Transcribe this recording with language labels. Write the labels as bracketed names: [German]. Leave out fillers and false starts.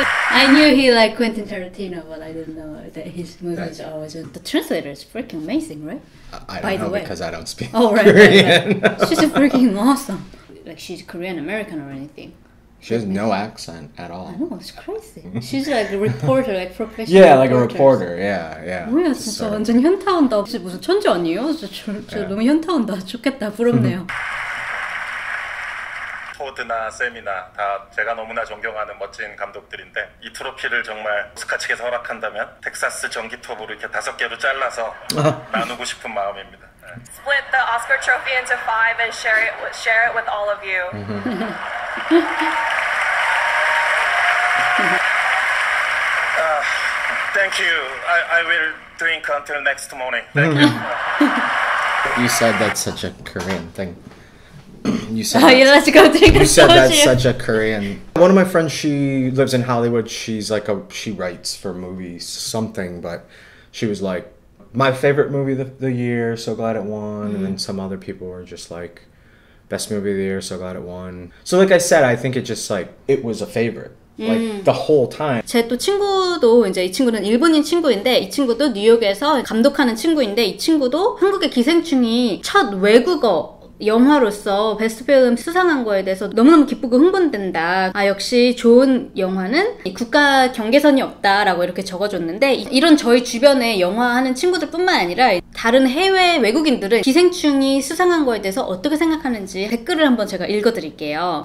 [English] I knew he liked Quentin Tarantino, but I didn't know that his movies are always... The translator is freaking amazing, right? I don't know. Because I don't speak Korean. She's freaking awesome. Like, she's Korean-American or anything. She has no accent at all. I know, it's crazy. She's like a reporter, like professional. Yeah, like a reporter, yeah, yeah. [Korean] 뭐야, 진짜 완전 현타 온다. 혹시 무슨 천재 아니에요? 진짜 너무 현타 온다. 좋겠다, 부럽네요. 포드나 샘이나 다 제가 너무나 존경하는 멋진 감독들인데 이 트로피를 정말 오스카 측에서 허락한다면 텍사스 전기톱으로 이렇게 다섯 개로 잘라서 나누고 싶은 마음입니다. [English] Split the Oscar trophy into five and share it with all of you. 아, thank you. I will drink until next morning. Thank you. You said that's such a Korean thing. You said, oh, you let's go drink. You said that's such a Korean. One of my friends, she lives in Hollywood. She's like she writes for movies, something, but she was like, my favorite movie of the year, so glad it won. Mm. And then some other people were just like, best movie of the year, so glad it won. So like I said, I think it just like, it was a favorite. Like the whole time. [Korean] 제 또 친구도 이제 이 친구는 일본인 친구인데 이 친구도 뉴욕에서 감독하는 친구인데 이 친구도 한국의 기생충이 첫 외국어 영화로서 베스트 필름 수상한 거에 대해서 너무너무 기쁘고 흥분된다. 아 역시 좋은 영화는 국가 경계선이 없다라고 이렇게 적어줬는데 이런 저희 주변에 영화하는 친구들뿐만 아니라 다른 해외 외국인들은 기생충이 수상한 거에 대해서 어떻게 생각하는지 댓글을 한번 제가 읽어드릴게요.